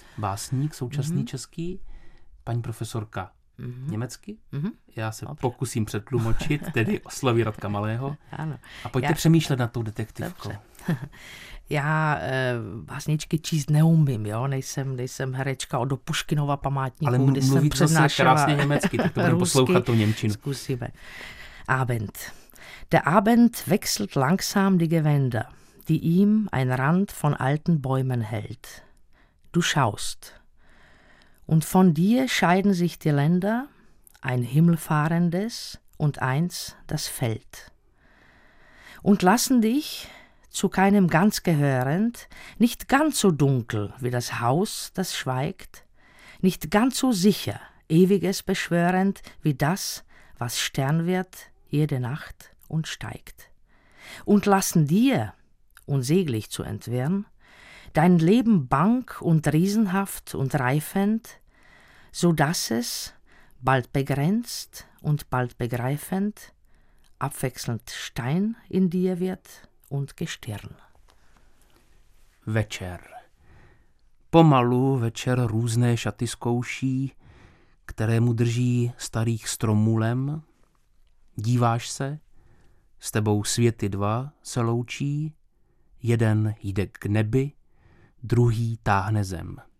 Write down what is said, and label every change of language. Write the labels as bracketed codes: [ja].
[cs] Básník současný český, paní profesorka německy, já se pokusím přetlumočit, tedy oslovy Radka Malého, ano. A pojďte přemýšlet nad tou detektivkou. Já básničky číst neumím, jo? Nejsem herečka od Puškinova památníku, ale kdy jsem přednášela krásně německy, tak to budeme poslouchat tu němčinu. Zkusíme. Abend. [de] Der Abend wechselt langsam die Gewänder, die ihm ein Rand von alten Bäumen hält. Du schaust. Und von dir scheiden sich die Länder, ein himmelfahrendes und eins das Feld. Und lassen dich zu keinem ganz gehörend, nicht ganz so dunkel wie das Haus, das schweigt, nicht ganz so sicher ewiges beschwörend wie das, was Stern wird jede Nacht und steigt. Und lassen dir, unsäglich zu entwirren, dein Leben bang und riesenhaft und reifend, so dass es, bald begrenzt und bald begreifend, abwechselnd Stein in dir wird und Gestirn. [cs] Večer. Pomalu večer různé šaty zkouší, které mu drží starých stromů lem. Díváš se, s tebou světy dva se loučí, jeden jde k nebi, druhý táhne zem.